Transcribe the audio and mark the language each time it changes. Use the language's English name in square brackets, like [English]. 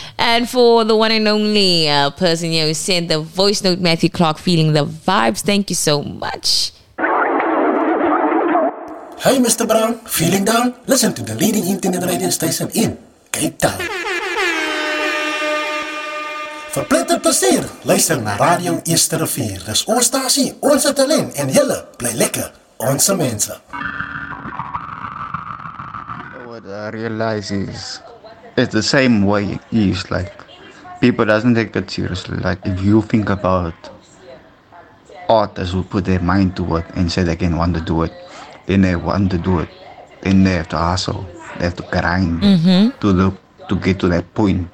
[English] And for the one and only person here who sent the voice note, Matthew Clark, feeling the vibes, thank you so much. Hey, Mr. Brown, feeling down? Listen to the leading internet radio station in Cape Town. [Afrikaans] Verpletter plezier, luister naar Radio Eerste Rivier. Dis ons stasie, ons het alleen en julle bly lekker, onze mensen. [English] What I realize is, it's the same way it is. Like, people doesn't take it seriously. Like, if you think about artists who put their mind to it and say they can want to do it, then they want to do it. Then they have to hustle. They have to grind to get to that point.